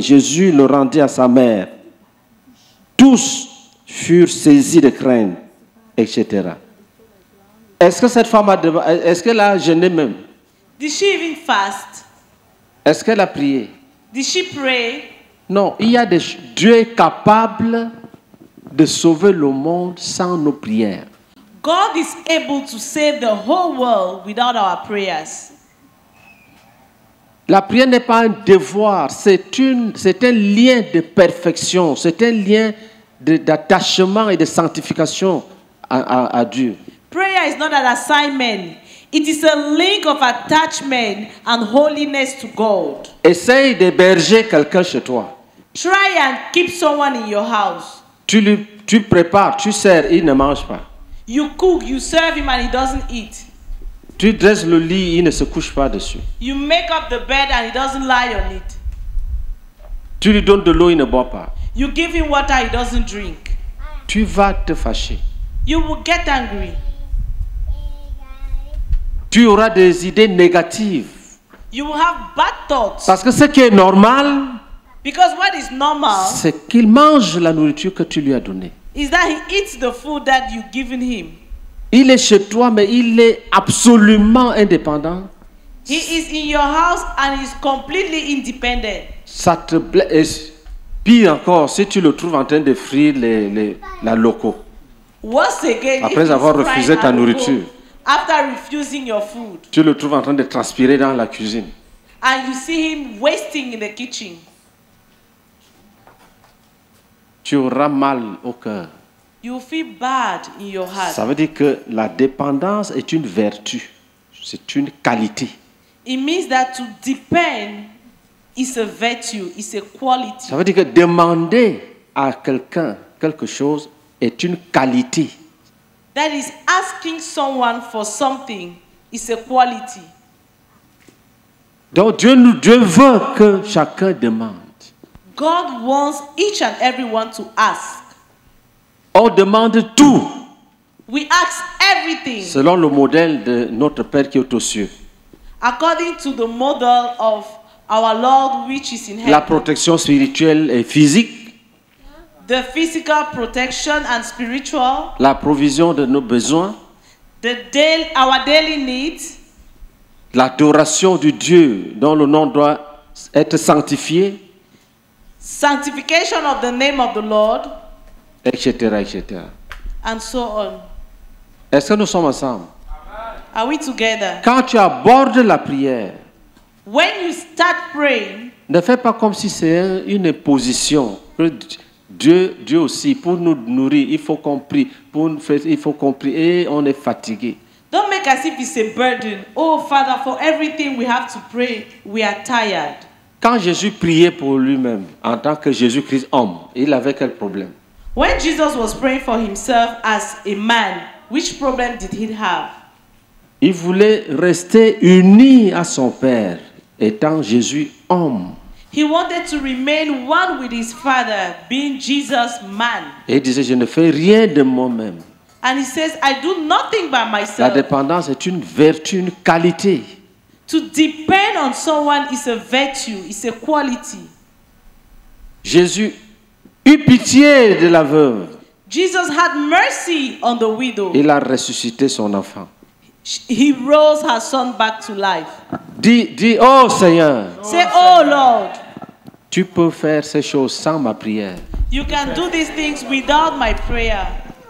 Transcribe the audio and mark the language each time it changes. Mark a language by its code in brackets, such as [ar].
[fr] Jésus le rendit à sa mère. Tous furent saisis de crainte, etc. Est-ce que cette femme a demandé, est-ce qu'elle a jeûné même? [en] Did she even fast? [fr] Est-ce qu'elle a prié? [en] Did she pray? [fr] Non, il y a des Dieu est capable de sauver le monde sans nos prières. [en] God is able to save the whole world without our prayers. [fr] La prière n'est pas un devoir, c'est un lien de perfection, c'est un lien d'attachement et de sanctification à Dieu. [en] Prayer is not an assignment. It is a link of attachment and holiness to God. [fr] Essaye d'héberger quelqu'un chez toi. [en] Try and keep someone in your house. [fr] Tu prépares, tu sers, il ne mange pas. [en] You cook, you serve him and he doesn't eat. [fr] Tu dresses le lit, il ne se couche pas dessus. [en] You make up the bed and he doesn't lie on it. [fr] Tu lui donnes de l'eau, il ne boit pas. [en] You give him water, he doesn't drink. [fr] Tu vas te fâcher. [en] You will get angry. [fr] Tu auras des idées négatives. [en] You will have bad thoughts. [fr] Parce que ce qui est normal, [en] because what is normal, [fr] c'est qu'il mange la nourriture que tu lui as donnée. [en] Is that he eats the food that you've given him. [fr] Il est chez toi, mais il est absolument indépendant. [en] He is in your house and he's completely independent. [fr] Ça te blesse. Pire encore, si tu le trouves en train de frire la loco. [en] Once again, [fr] après avoir refusé ta nourriture. [en] After refusing your food, [fr] tu le trouves en train de transpirer dans la cuisine. [en] And you see him wasting in the kitchen. [fr] Tu auras mal au cœur. [en] You feel bad in your heart. [fr] Ça veut dire que la dépendance est une vertu. C'est une qualité. [en] It means that to depend is a virtue, is a quality. [fr] Ça veut dire que demander à quelqu'un quelque chose est une qualité. [en] That is asking someone for something is a quality. [fr] Donc Dieu veut que chacun demande. [en] God wants each and everyone to ask. [fr] On demande tout. [en] We ask everything. [fr] Selon le modèle de notre Père qui est aux cieux. [en] According to the model of our Lord which is in heaven. [fr] La protection spirituelle et physique. [en] The physical protection and spiritual. [fr] La provision de nos besoins. [en] Our daily needs. [fr] L'adoration du Dieu dont le nom doit être sanctifié. [en] Sanctification of the name of the Lord. [fr] Etc. Etc. [en] And so on. [fr] Est-ce que nous sommes ensemble? [en] Are we together? [fr] Quand tu abordes la prière. [en] When you start praying. [fr] Ne fais pas comme si c'est une imposition. Dieu aussi, pour nous nourrir, il faut qu'on prie. Pour nous faire, il faut qu'on prie. Et on est fatigué. [en] Don't make as if it's a burden. Oh, Father, for everything we have to pray, we are tired. [fr] Quand Jésus priait pour lui-même, en tant que Jésus-Christ homme, il avait quel problème? [en] When Jesus was praying for himself as a man, Which problem did he have? [fr] Il voulait rester uni à son Père, étant Jésus homme. [en] He wanted to remain one with his Father, being Jesus man. [fr] Et il disait, je ne fais rien de moi-même. [en] And he says, I do nothing by myself. [fr] La dépendance est une vertu, une qualité. [en] To depend on someone is a virtue, it's a quality. [fr] Jésus eut pitié de la veuve. [en] Jesus had mercy on the widow. [fr] Il a ressuscité son enfant. [en] He rose her son back to life. [fr] Dis, oh Seigneur. [en] Say, oh Lord. [fr] Tu peux faire ces choses sans ma prière. [en] You can do these things without my prayer.